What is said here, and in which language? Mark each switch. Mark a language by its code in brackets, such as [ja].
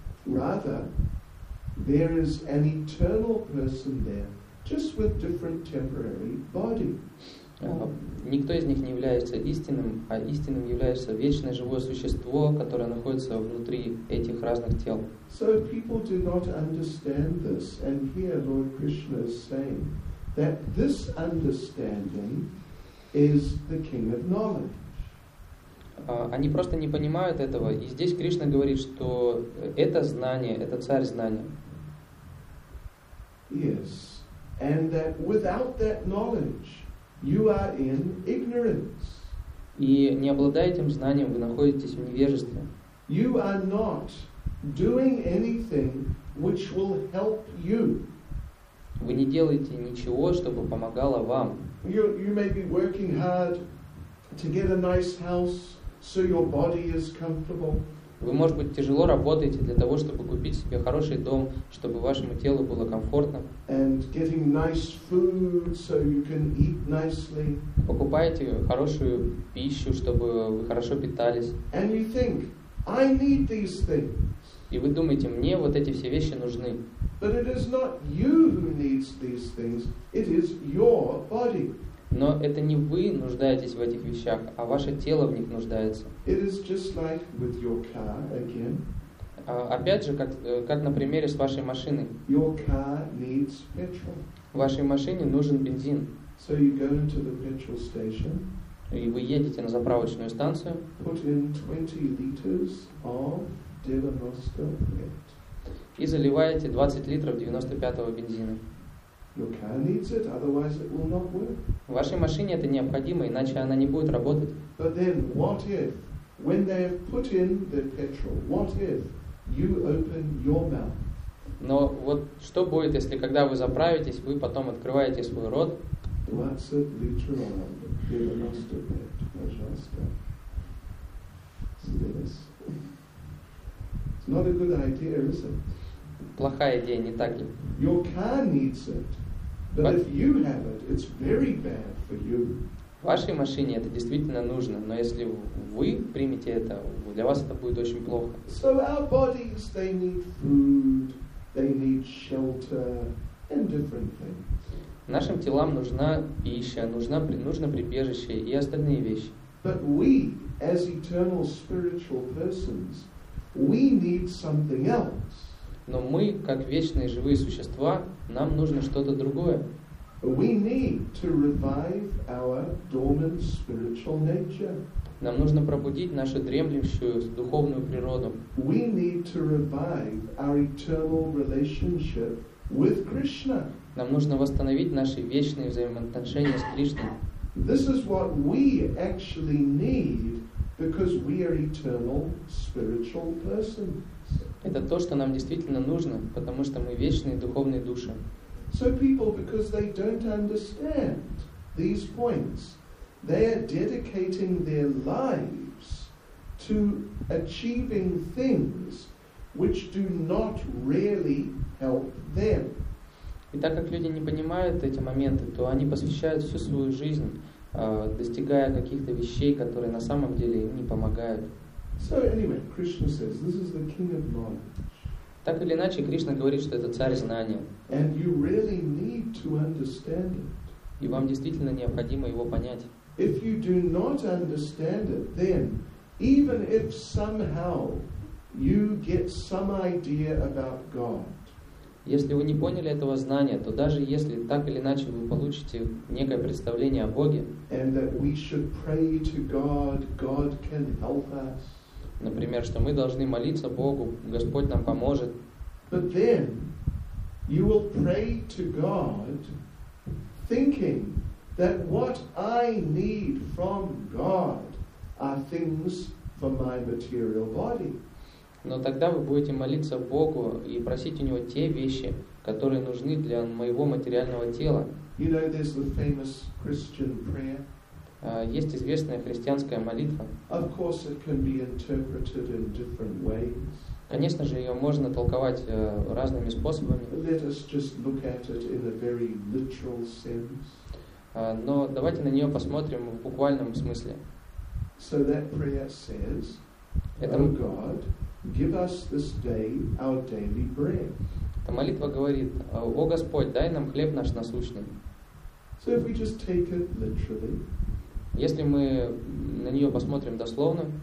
[en] Rather, there is an eternal person there, just with different temporary body. [ru] Никто из них не является истинным, а истинным является вечное живое существо, которое находится внутри этих разных тел. [en] So people do not understand this, and here Lord Krishna is saying that this understanding is the king of knowledge. [ru] Они просто не понимают этого. И здесь Кришна говорит, что это знание, это царь знания. [en] Yes. And that without that knowledge, you are in ignorance. [ru] И не обладая этим знанием, вы находитесь в невежестве. [en] You are not doing anything which will help you. [ru] Вы не делаете ничего, чтобы помогало вам. [en] You may be working hard to get a nice house, so your body is comfortable. [ru] Вы, может быть, тяжело работаете для того, чтобы купить себе хороший дом, чтобы вашему телу было комфортно. [en] And getting nice food, so you can eat nicely. [ru] Покупаете хорошую пищу, чтобы вы хорошо питались. [en] And you think, I need these things. [ru] И вы думаете, мне вот эти все вещи нужны. [en] But it is not you who needs these things, it is your body. [ru] Но это не вы нуждаетесь в этих вещах, а ваше тело в них нуждается. [en] It is just like with your car again. [ru] Опять же, как на примере с вашей машиной. [en] Your car needs petrol. [ru] Вашей машине нужен бензин. [en] So you go into the petrol station. [ru] И вы едете на заправочную станцию. [en] Put in 20 liters of Devanoska Red. [ru] И заливаете 20 литров 95-го бензина. [en] Your car needs it, otherwise it will not work. [ru] В вашей машине это необходимо, иначе она не будет работать. [en] But then, what if, when they have put in the petrol, what if you open your mouth? [ru] Но вот что будет, если когда вы заправитесь, вы потом открываете свой рот? 20 литров [en] oil, give an estimate, [ru] пожалуйста. [en] It's not a good idea, is it? [ru] Плохая идея, не так ли? [en] Your car needs it, but if you have it, it's very bad for you. [ru] Вашей машине это действительно нужно, но если вы примете это, для вас это будет очень плохо. [en] So our bodies, they need food, they need shelter and different things. [ru] Нашим телам нужна пища, нужно прибежище и остальные вещи. [en] But we, as eternal spiritual persons, we need something else. [ru] Но мы, как вечные живые существа, нам нужно что-то другое. [en] We need to revive our dormant spiritual nature. [ru] Нам нужно пробудить нашу дремлющую духовную природу. [en] We need to revive our eternal relationship with Krishna. [ru] Нам нужно восстановить наши вечные взаимоотношения с Кришной. [en] This is what we actually need because we are eternal spiritual persons. [ru] Это то, что нам действительно нужно, потому что мы вечные духовные души. [en] So people, because they don't understand these points, they are dedicating their lives to achieving things which do not really help them. [ru] И так как люди не понимают эти моменты, то они посвящают всю свою жизнь, достигая каких-то вещей, которые на самом деле им не помогают. [en] So anyway, Krishna says, this is the king of knowledge. [ru] Так или иначе, Кришна говорит, что это царь знания. [en] And you really need to understand it. [ru] И вам действительно необходимо его понять. [en] If you do not understand it, then even if somehow you get some idea about God. [ru] Если вы не поняли этого знания, то даже если так или иначе вы получите некое представление о Боге. [en] And that we should pray to God, God can help us. [ru] Например, что мы должны молиться Богу, Господь нам поможет. [en] But then you will pray to God, thinking that what I need from God are things for my material body. [ru] Но тогда вы будете молиться Богу и просить у него те вещи, которые нужны для моего материального тела. [en] You know, there's the famous Christian prayer. [ru] Есть известная христианская молитва. [en] Of course it can be interpreted in different ways. [ru] Конечно же, ее можно толковать разными способами. [en] Let us just look at it in a very literal sense. [ru] Но давайте на нее посмотрим в буквальном смысле. [en] So that prayer says, O God, give us this day our daily bread. [ru] Эта молитва говорит, о Господь, дай нам хлеб наш насущный. [en] So if we just take it literally, [ru] если мы на нее посмотрим дословно,